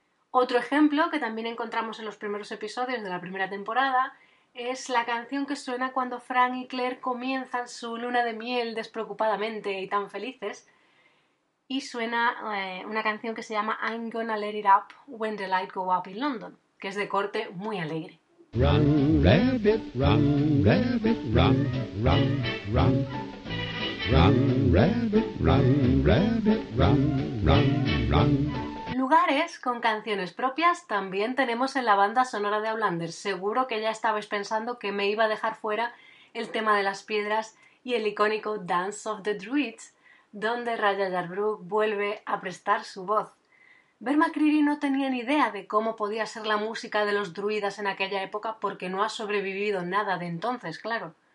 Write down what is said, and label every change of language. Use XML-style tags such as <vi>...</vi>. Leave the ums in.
<es>Otro ejemplo que también encontramos en los primeros episodios de la primera temporada es la canción que suena cuando Frank y Claire comienzan su luna de miel despreocupadamente y tan felices, y suena eh, una canción que se llama I'm Gonna Let It Up When the Light Go Up in London, que es de corte muy alegre.</es> <en>Run, rabbit, run, rabbit, run, run, run. Run, rabbit, run, rabbit, run, run, run.</en> <es>Lugares con canciones propias también tenemos en la banda sonora de Outlander. Seguro que ya estabais pensando que me iba a dejar fuera el tema de las piedras y el icónico Dance of the Druids, donde Raya Yarbrough vuelve a prestar su voz. Verma Creary no tenía ni idea de cómo podía ser la música de los druidas en aquella época porque no ha sobrevivido nada de entonces, claro.</es>